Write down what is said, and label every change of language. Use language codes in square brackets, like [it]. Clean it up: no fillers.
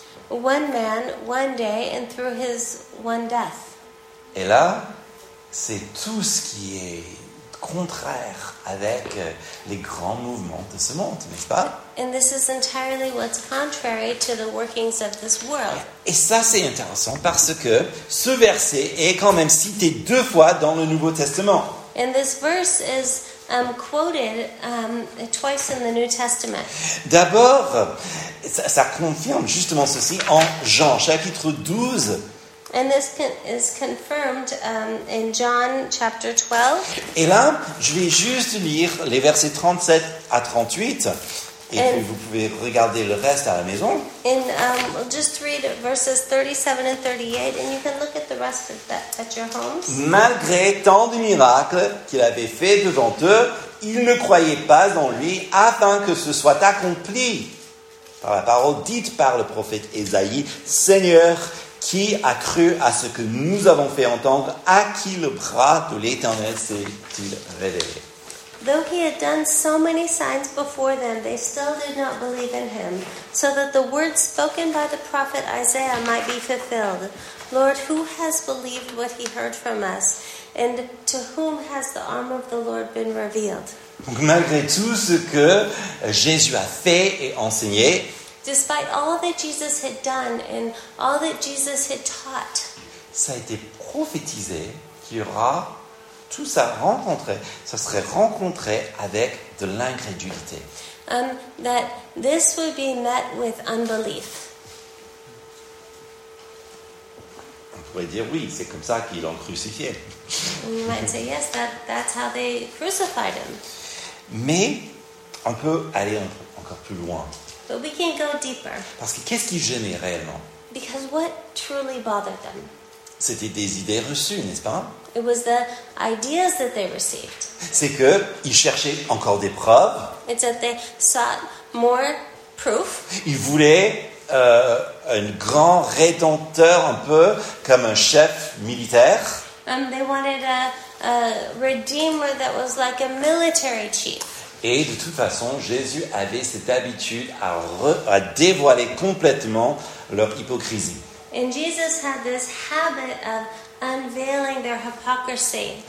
[en] One man, one day, and through his one death. [fr] Et là, c'est tout ce qui est contraire avec les grands mouvements de ce monde, n'est-ce pas? [en] And this is entirely what's contrary to the workings of this world. [fr] Et ça, c'est intéressant parce que ce verset est quand même cité deux fois dans le Nouveau Testament. [en] And this verse is quoted twice in the New Testament. [fr] D'abord, ça confirme justement ceci en Jean, chapitre 12. [en] And this is confirmed in John chapter 12. [fr] Et là, je vais juste lire les versets 37 à 38. Et puis vous pouvez regarder le reste à la maison. [en] And we'll just read verses 37 and 38, and you can look at the rest of that at your homes. [fr] Malgré tant de miracles qu'il avait fait devant eux, ils ne croyaient pas en lui afin que ce soit accompli par la parole dite par le prophète Ésaïe. Seigneur, qui a cru à ce que nous avons fait entendre? À qui le bras de l'Éternel s'est-il révélé? [en] Though he had done so many signs before them, they still did not believe in him, so that the words spoken by the prophet Isaiah might be fulfilled. Lord, who has believed what he heard from us? And to whom has the arm of the Lord been revealed? [fr] Donc, malgré tout ce que Jésus a fait et enseigné, [en] despite all that Jesus had done and all that Jesus had taught, [fr] ça a été prophétisé qu'il y aura tout ça rencontré, ça serait rencontré avec de l'incrédulité. [en] That this would be met with unbelief. [fr] On pourrait dire oui, c'est comme ça qu'ils l'ont crucifié. [en] We might say yes, that's how they crucified him. [fr] Mais on peut aller encore plus loin. [en] But we can go deeper. [fr] Parce que qu'est-ce qui gênait réellement? [en] Because what truly bothered them? [fr] C'était des idées reçues, n'est-ce pas? [en] It was the ideas that they received. [fr] C'est qu'ils cherchaient encore des preuves. [en] It's that they sought more proof. [fr] Ils voulaient un grand rédempteur, un peu comme un chef militaire. [en] They wanted a redeemer that was like a military chief. [fr] Et de toute façon, Jésus avait cette habitude à dévoiler complètement leur hypocrisie. [en] And Jesus had this habit of unveiling their hypocrisy.